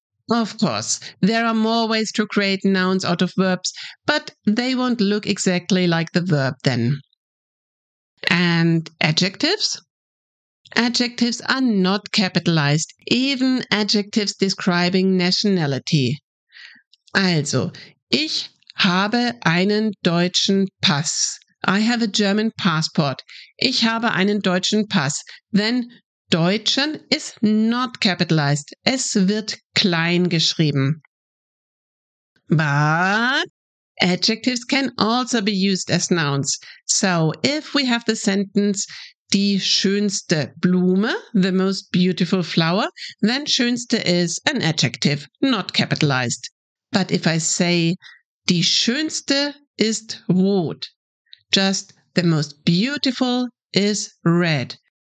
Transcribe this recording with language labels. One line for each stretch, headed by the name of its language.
English: Of course, there are more ways to create nouns out of verbs, but they won't look exactly like the verb then. And adjectives? Adjectives are not capitalized, even adjectives describing nationality.
German: Also, ich habe einen deutschen Pass.
English: I have a German passport.
German: Ich habe einen deutschen Pass.
English: Then, deutschen is not capitalized.
German: Es wird klein geschrieben.
English: But adjectives can also be used as nouns. So, if we have the sentence,
German: die schönste Blume,
English: the most beautiful flower, then schönste is an adjective, not capitalized. But if I say,
German: die schönste ist rot,
English: just the most beautiful is red.